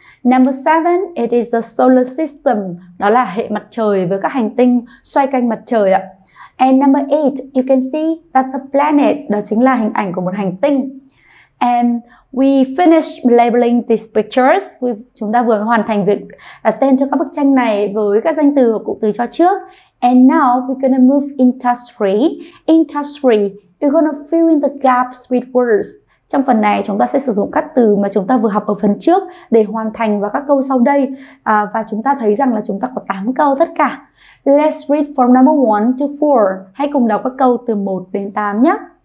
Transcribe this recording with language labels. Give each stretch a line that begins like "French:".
English: Number 7, it is the solar system.
Vietnamese: Đó là hệ mặt trời với các hành tinh xoay quanh mặt trời ạ.
English: And number 8, you can see that the planet,
Vietnamese: đó chính là hình ảnh của một hành tinh.
English: And we finished labeling these pictures.
Vietnamese: Chúng ta vừa hoàn thành việc đặt tên cho các bức tranh này với các danh từ và cụm từ cho trước.
English: And now we're gonna move into task 3. In task 3, you're gonna fill in the gaps with words.
Vietnamese: Trong phần này chúng ta sẽ sử dụng các từ mà chúng ta vừa học ở phần trước để hoàn thành vào các câu sau đây. Và chúng ta thấy rằng là chúng ta có 8 câu tất cả.
English: Let's read from number 1 to 4.
Vietnamese: Hãy cùng đọc các câu từ 1 đến 8 nhé.